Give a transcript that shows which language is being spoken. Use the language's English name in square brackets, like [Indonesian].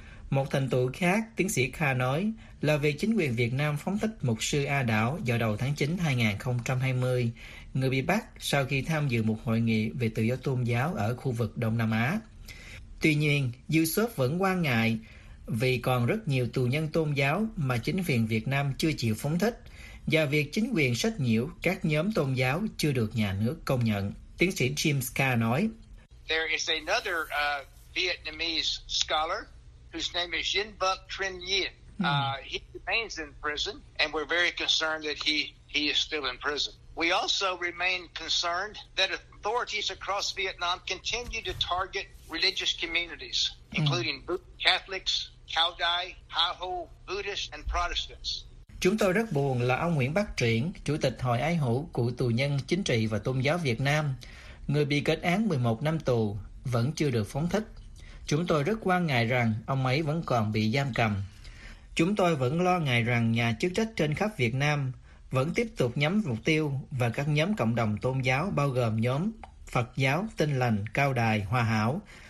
[Vietnamese] Một thành tựu khác, tiến sĩ Kha nói, là việc chính quyền Việt Nam phóng thích mục sư A Đảo vào đầu tháng 9 2020, người bị bắt sau khi tham dự một hội nghị về tự do tôn giáo ở khu vực Đông Nam Á. Tuy nhiên, USOF vẫn quan ngại vì còn rất nhiều tù nhân tôn giáo mà chính quyền Việt Nam chưa chịu phóng thích và việc chính quyền sách nhiễu các nhóm tôn giáo chưa được nhà nước công nhận. Tiến sĩ James Carr nói, [English] There is another Vietnamese scholar whose name is Yen Buc Trinh Nguyen. He remains in prison and we're very concerned that he is still in prison. We also remain concerned that authorities across Vietnam continue to target religious communities, including Catholics, Cao Dai, Ha Ho, Buddhists, and Protestants. [Vietnamese] Chúng tôi rất buồn là ông Nguyễn Bắc Truyển, Chủ tịch Hội Ái Hữu của Tù Nhân Chính trị và Tôn giáo Việt Nam, người bị kết án 11 năm tù, vẫn chưa được phóng thích. Chúng tôi rất quan ngại rằng ông ấy vẫn còn bị giam cầm. Chúng tôi vẫn lo ngại rằng nhà chức trách trên khắp Việt Nam vẫn tiếp tục nhắm mục tiêu và các nhóm cộng đồng tôn giáo bao gồm nhóm Phật giáo, Tinh lành, Cao đài, Hòa hảo.